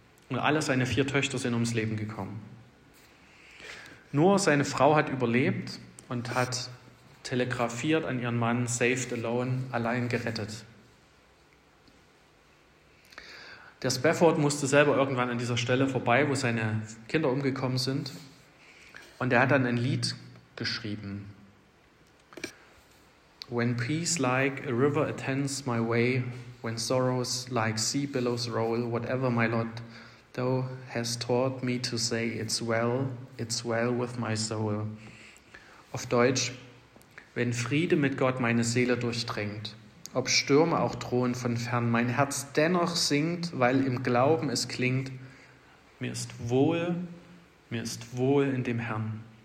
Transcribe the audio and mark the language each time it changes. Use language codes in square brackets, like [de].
[de] Und alle seine 4 Töchter sind ums Leben gekommen. Nur seine Frau hat überlebt und hat telegrafiert an ihren Mann, [en] saved alone, [de] allein gerettet. Der Spafford musste selber irgendwann an dieser Stelle vorbei, wo seine Kinder umgekommen sind. Und er hat dann ein Lied geschrieben. [en] When peace like a river attends my way, when sorrows like sea billows roll, whatever my lot thou hast taught me to say, it's well with my soul. [de] Auf Deutsch, wenn Friede mit Gott meine Seele durchdringt, ob Stürme auch drohen von fern, mein Herz dennoch singt, weil im Glauben es klingt, mir ist wohl in dem Herrn.